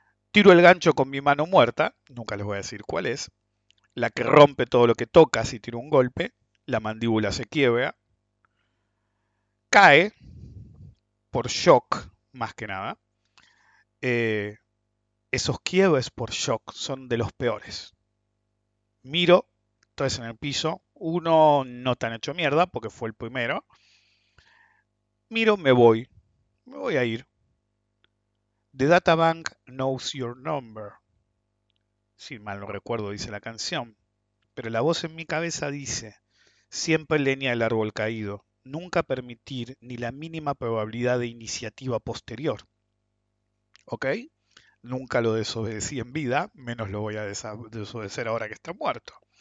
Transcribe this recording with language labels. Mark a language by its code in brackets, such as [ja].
[es] Tiro el gancho con mi mano muerta, nunca les voy a decir cuál es, la que rompe todo lo que toca si tiro un golpe, la mandíbula se quiebra, cae por shock, más que nada. Esos quiebres por shock son de los peores. Miro, tres en el piso, uno no tan hecho mierda porque fue el primero. Miro, me voy a ir. [en] The data bank knows your number. [es] Si mal no recuerdo, dice la canción. Pero la voz en mi cabeza dice, siempre leña el árbol caído. Nunca permitir ni la mínima probabilidad de iniciativa posterior. ¿Ok? Nunca lo desobedecí en vida, menos lo voy a desobedecer ahora que está muerto.